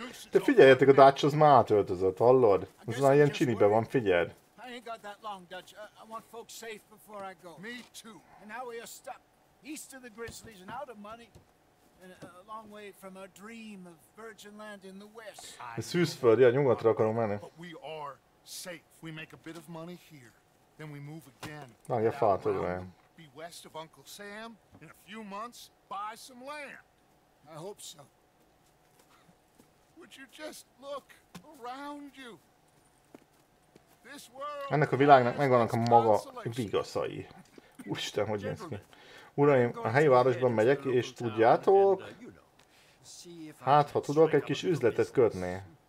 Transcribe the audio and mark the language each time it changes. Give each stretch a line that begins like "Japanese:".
Hungarian: De figyeljetek, a Dutch az már átöltözött, hallod? Az már ilyen csinibe van, figyeld.
English: I ain't got that long, Dutch. I want folks safe before I go. Me too. And now we are stuck east of the Grizzlies and out of money. And a long way from a dream of virgin land in the west.
Hungarian: A szűzföld, ja, nyugatra akarunk menni.
English: But we are safe. We make a bit of money here. Then we move again.
Hungarian: Na, ja, fát, hogy olyan.
English: Be west of Uncle Sam. In a few months, buy some land. I hope so. Would you just look around you?
Hungarian: Ennek a világnak megvannak a maga vigaszai. Úristen, hogy néz ki. Uraim, a helyi városban megyek, és tudjátok? Hát, ha tudok, egy kis üzletet kötni.